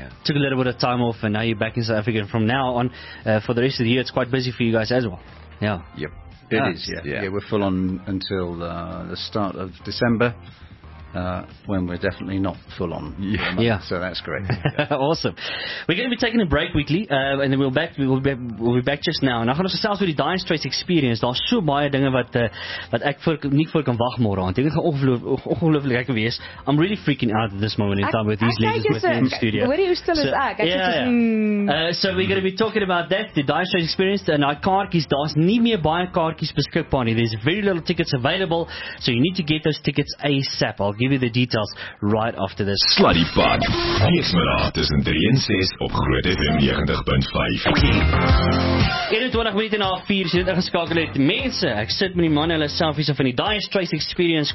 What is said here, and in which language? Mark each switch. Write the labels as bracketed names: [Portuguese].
[English] Took a little bit of time off, and now you're back in South Africa. And from now on, for the rest of the year, it's quite busy for you guys as well. Yeah. Yep. It is. We're full on until the start of December, when we're definitely not full on. Yeah. So that's great. Awesome. We're going to be taking a break weekly, and then we'll be back just now. [Afrikaans] Nou gaan ons gesels oor die Dire Straits experience. Daar's so baie dinge wat ek nie vir kan wag môre aan. Dink dit gaan ongelooflik lekker wees. [English] I'm really freaking out at this moment in time with these ladies with me in the studio. [Afrikaans] Hoor jy hoe stil is ek? [English] So we're going to be talking about that, the Dire Straits experience, and our kaartjies. [Afrikaans] Daar's nie meer baie kaartjies beskikbaar nie. [English] There's very little tickets available, so you need to get those tickets ASAP. I'll give you the details right after this. Slutty Pod. Yes, my heart is in 3 and 6 op Groot FM 90.5. [Afrikaans] 21 minuten na 4, so dit ingeskakel het. Mense, ek sit met die man, hulle selfies van die Dire Straits experience.